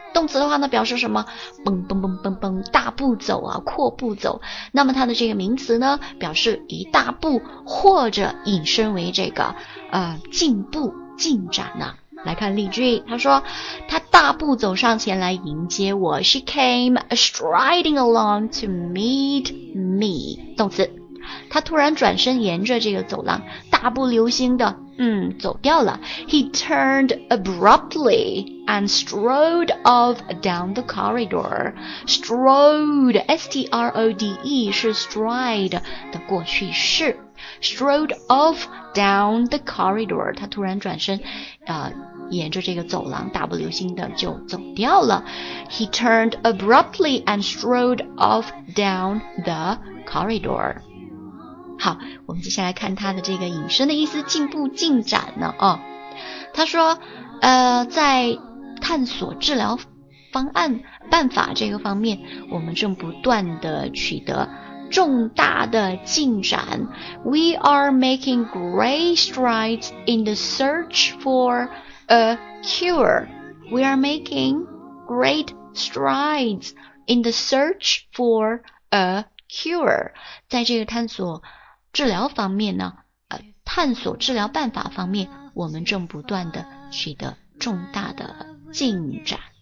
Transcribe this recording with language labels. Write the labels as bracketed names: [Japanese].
[Chinese] 动词的话呢，表示什么？蹦蹦蹦蹦蹦，大步走啊，阔步走。那么它的这个名词呢，表示一大步，或者引申为这个进步、进展呢、啊。来看例句，他说，他大步走上前来迎接我。 [English] She came striding along to meet me。 [Chinese] 动词，他突然转身沿着这个走廊，大步流星的。走掉了。 [English] He turned abruptly and strode off down the corridor. Strode, S-T-R-O-D-E, [Chinese] 是 [English] stride [Chinese] 的过去式。 [English] Strode off down the corridor. [Chinese] 他突然转身沿着这个走廊大步流星的就走掉了。 [English] He turned abruptly and strode off down the corridor. [Chinese] 好，我们接下来看他的这个引申的意思，进步进展呢哦。他说在探索治疗方案办法这个方面，我们正不断地取得重大的进展。 [English] We are making great strides in the search for a cure. We are making great strides in the search for a cure. [Chinese] 在这个探索治疗方面呢，探索治疗办法方面，我们正不断地取得重大的进展。